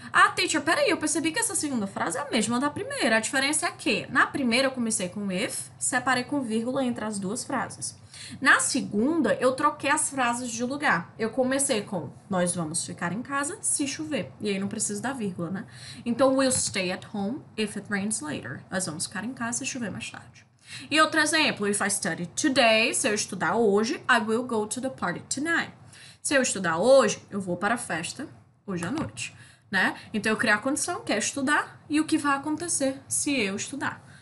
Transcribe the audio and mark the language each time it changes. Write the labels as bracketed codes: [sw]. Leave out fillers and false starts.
[pt] Ah, teacher, peraí, eu percebi que essa segunda frase é a mesma da primeira. A diferença é que na primeira eu comecei com if, separei com vírgula entre as duas frases. Na segunda, eu troquei as frases de lugar. Eu comecei com nós vamos ficar em casa se chover. E aí não preciso da vírgula, né? Então, [en] we'll stay at home if it rains later. [pt] Nós vamos ficar em casa se chover mais tarde. E outro exemplo, [en] if I study today, [pt] se eu estudar hoje, [en] I will go to the party tonight. [pt] Se eu estudar hoje, eu vou para a festa hoje à noite, né? Então, eu criei a condição, quero estudar, e o que vai acontecer se eu estudar?